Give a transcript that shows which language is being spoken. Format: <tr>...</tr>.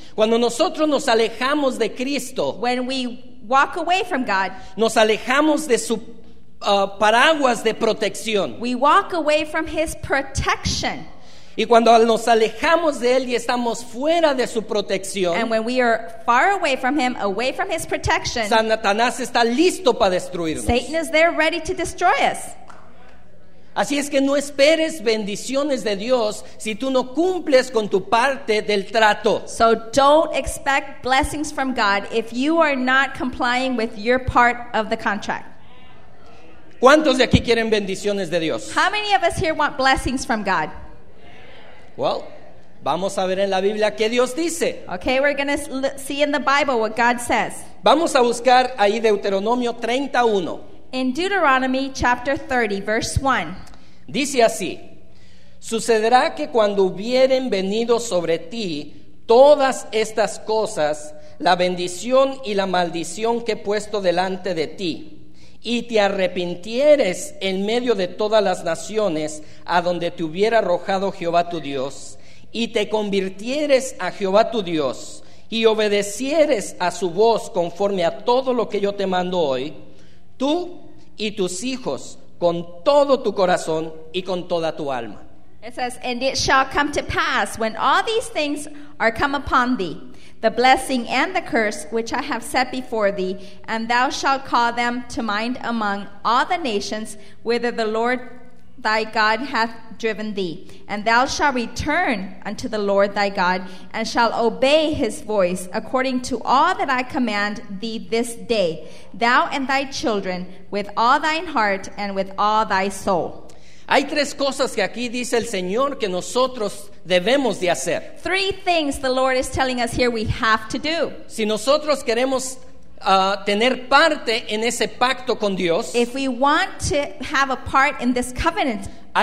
<es>Cuando nosotros nos alejamos de Cristo,</es> <en>when we walk away from God.</en> <es>Nos alejamos de su paraguas de protección.</es> <en>We walk away from his protection.</en> <es>Y cuando nos alejamos de él y estamos fuera de su protección,</es> <en>and when we are far away from him, away from his protection,</en> <es>Satanás está listo para destruirnos.</es> <en>Satan is there ready to destroy us.</en> <es>Así es que no esperes bendiciones de Dios si tú no cumples con tu parte del trato.</es> <en>So don't expect blessings from God if you are not complying with your part of the contract.</en> <es>¿Cuántos de aquí quieren bendiciones de Dios?</es> <en>How many of us here want blessings from God?</en> <es>Well, vamos a ver en la Biblia qué Dios dice.</es> <en>Okay, we're going to see in the Bible what God says.</en> <es>Vamos a buscar ahí Deuteronomio 31.</es> <en>In Deuteronomy chapter 30, verse 1.</en> <es>Dice así: Sucederá que cuando hubieren venido sobre ti todas estas cosas, la bendición y la maldición que he puesto delante de ti, y te arrepintieres en medio de todas las naciones a donde te hubiera arrojado Jehová tu Dios, y te convirtieres a Jehová tu Dios, y obedecieres a su voz conforme a todo lo que yo te mando hoy, tú y tus hijos con todo tu corazón y con toda tu alma.</es> <en>It says, and it shall come to pass when all these things are come upon thee, the blessing and the curse which I have set before thee, and thou shalt call them to mind among all the nations whither the Lord thy God hath driven thee, and thou shalt return unto the Lord thy God, and shalt obey his voice according to all that I command thee this day, thou and thy children, with all thine heart and with all thy soul.</en> <es>Hay tres cosas que aquí dice el Señor que nosotros debemos de hacer.</es> <en>Three things the Lord is telling us here we have to do.</en> <es>Si nosotros queremos tener parte en ese pacto con Dios,</es> <en>if we want to have a part in this covenant with God,</en>